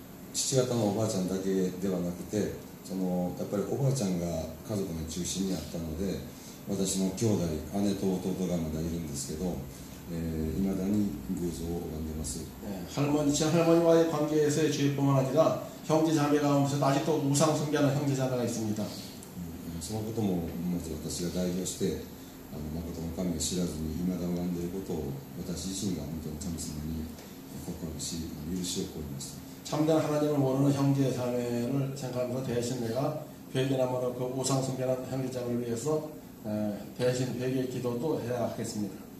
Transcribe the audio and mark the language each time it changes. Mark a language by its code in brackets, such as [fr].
[ja] 父方のおばあちゃんだけではなくて、そのやっぱりおばあちゃんが家族の中心にあったので、私も兄弟、姉と弟がまだいるんですけど、未だに偶像を拝んでます。 [ko] 할머니와의 관계에서의 죄뿐만 아니라 형제 자매가 없어서 아직도 우상 숭배하는 형제 자매가 있습니다. [ja] そのことも私が代表して、誠の神を知らずに未だ拝んでいることを私自身が本当に神様に告白し、許しを請います。 [ko] 참된 하나님을 모르는 형제 자매를 생각하면서 대신 내가 회개함으로 그 우상 숭배한 형제자매를 위해서 대신 회개 기도도 해야 하겠습니다.